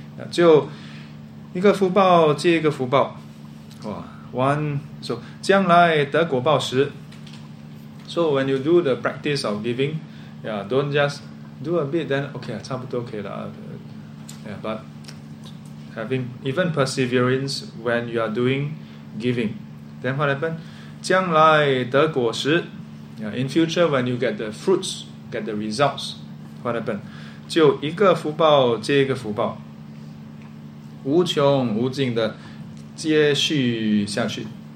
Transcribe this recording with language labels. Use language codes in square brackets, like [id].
[zh] 就一个福报接一个福报. 哇.So 将来得果报时. [en] So when you do the practice of giving, don't just do a bit, then but having even perseverance when you are doing giving, then what happened? [zh] 将来得果时. [en] In future, when you get the fruits, get the results, what happened? [zh] 就一个福报接一个福报, 无穷无尽的 接续下去.